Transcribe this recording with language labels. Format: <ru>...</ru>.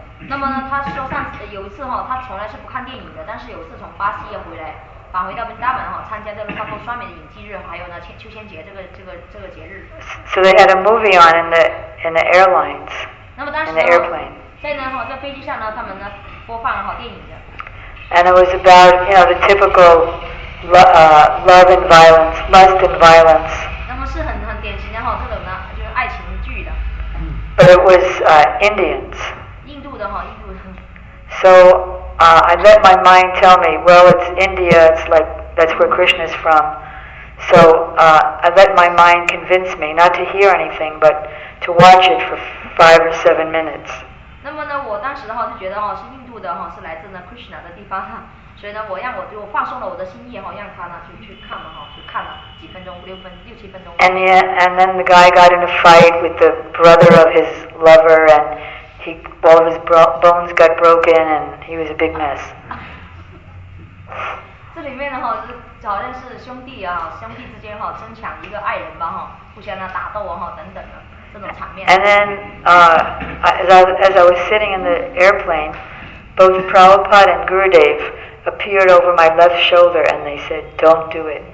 <zh>那么呢，他说上次有一次哈，他从来是不看电影的，但是有一次从巴西也回来。返回到温达本哈，参加这个发布双面的影祭日，还有呢秋千节这个节日。</zh> <en>So they had a movie on in the airlines.</en> <zh>那么当时</zh> <en>in the airplane.</en> <zh>在呢哈，在飞机上呢，他们呢播放了哈电影的。</zh> <en>And it was about, you know, the typical love and violence, lust and violence.</en> <zh>那么是很很典型的哈，这种呢就是爱情剧的。</zh> <en>But it was Indians.</en> <zh>印度的哈，印度的。</zh> <en>So I let my mind tell me, well, it's India. It's like that's where Krishna's from. So I let my mind convince me not to hear anything, but to watch it for 5 or 7 minutes.</en> <zh>那么呢，我当时的话就觉得哈是印度的哈，是来自呢 Krishna 的地方哈。所以呢，我让我就放松了我的心意哈，让他呢去看了哈，去看了几分钟，六分六七分钟。</zh> <en>And then the guy got in a fight with the brother of his lover and. All of his bones got broken, and he was a big mess.</en> <zh>这里面呢，哈，就好像是兄弟啊，兄弟之间哈，争抢一个爱人吧，哈，互相呢打斗啊，哈，等等的这种场面。</zh> <en>And then, as I was sitting in the airplane, both Prabhupada and Gurudev appeared over my left shoulder, and they said, "Don't do it."</en>